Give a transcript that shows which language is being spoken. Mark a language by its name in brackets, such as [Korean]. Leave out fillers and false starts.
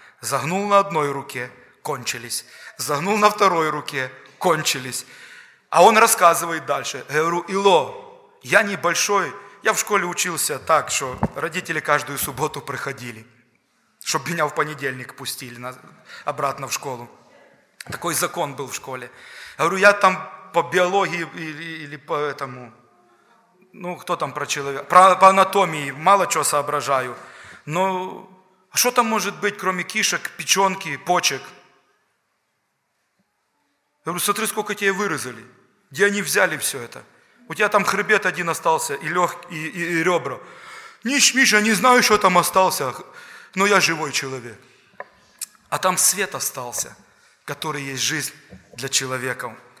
[Russian] Загнул на одной руке, кончились. Загнул на второй руке, кончились. А он рассказывает дальше. Я говорю, Ило, я небольшой. Я в школе учился так, что родители каждую субботу приходили, чтобы меня в понедельник пустили обратно в школу. Такой закон был в школе. Говорю, я там по біології или по этому, ну, [Ukrainian] хто там про чоловіка, по анатомії мало чого [Russian] соображаю. [Ukrainian] Ну, а що там може бути, крім кишок, печенки, почек? [Russian] Я говорю, смотри, сколько тебе вырезали. Где они взяли все это? У тебя там хребет один остался, и легкий, и ребра. Нищ, Миша, не знаю, что там остался, но я живой человек. А там свет остался, который есть жизнь для человека.